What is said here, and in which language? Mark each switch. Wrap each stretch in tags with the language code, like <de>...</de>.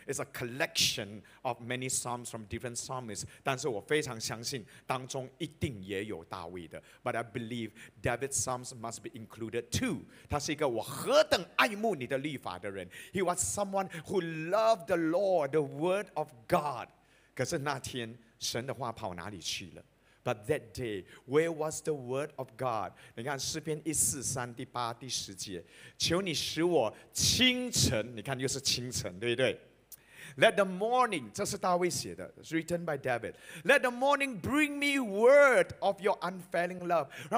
<en>It's a collection of many psalms from different psalmists.</en> <zh>但是我非常相信当中一定也有大卫的。</zh> <en>But I believe David's psalms must be included too.</en> <zh>他是一个我何等爱慕你的律法的人。</zh> <en>He was someone who loved the law, the word of God.</en> <zh>可是那天， 神的话跑哪里去了？</zh> <en>But that day, where was the word of God?</en> <zh>你看诗篇143:8-10节，求你使我清晨，你看又是清晨，对不对？</zh> <en>Let the morning,</en> <zh>这是大卫写的，</zh> <en>written by David. Let the morning bring me word of your unfailing love.</en>